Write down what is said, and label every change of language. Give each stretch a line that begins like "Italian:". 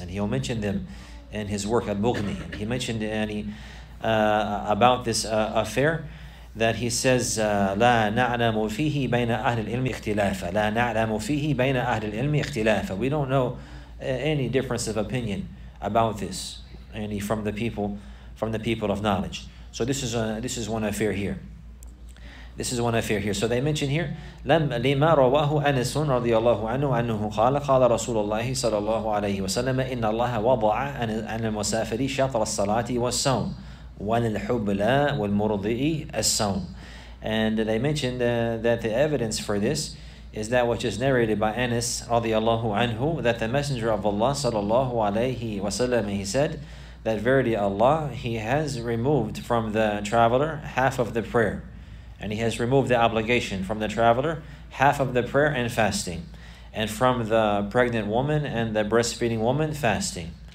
English: And he'll mention them in his work at Bughni. And he mentioned about this affair that he says,
Arabic: لَا نَعْلَمُ فِيهِ بَيْنَ أَهْلِ الْإِلْمِ اخْتِلَافًا. لَا نَعْلَمُ فِيهِ بَيْنَ أَهْلِ الْإِلْمِ اخْتِلَافًا.
English: We don't know any difference of opinion about this, any from the people of knowledge. So this is one affair here. So they mention here,
Arabic: لَمْ لِمَا رَوَاهُ أَنَسٌ رَضِيَ اللَّهُ عَنْهُ أَنُّهُ قَالَ قَالَ رَسُولُ اللَّهِ صَلَى اللَّهُ عَلَيْهِ وَسَلَّمَ إِنَّ اللَّهَ وَضَعَ عَنَ الْمُسَافِرِ شَطْرَ الصَّلَاةِ وَالصَّوْمِ وَالْحُبْلَ وَالْمُرْضِئِ الصَّوْمِ.
English: And they mentioned that the evidence for this is that which is narrated by Anas radiallahu anhu, that the Messenger of Allah sallallahu alayhi wa sallam, he said that verily Allah, he has removed from the traveler half of the prayer, and he has removed the obligation from the traveler, half of the prayer and fasting, and from the pregnant woman and the breastfeeding woman, fasting.